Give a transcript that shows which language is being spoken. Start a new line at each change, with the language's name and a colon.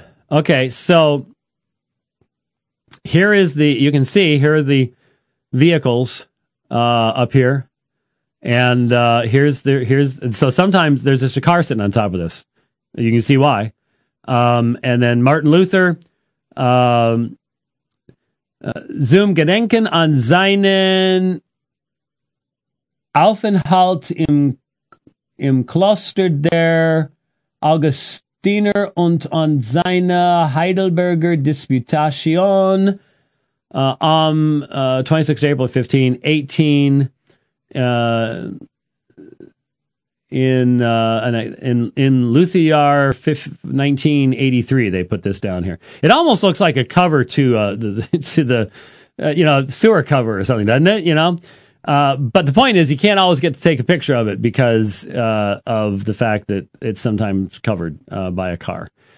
English: Okay, so here is the, you can see, here are the vehicles up here. And so sometimes there's just a car sitting on top of this. You can see why. And then
German: Martin Luther, Zum Gedenken an seinen Aufenthalt im Kloster der Augustiner und an seine Heidelberger Disputation am 26 April 1518.
English: In Luthier 1983, they put this down here. It almost looks like a cover to the sewer cover or something, doesn't it? You know, but the point is, you can't always get to take a picture of it because of the fact that it's sometimes covered by a car.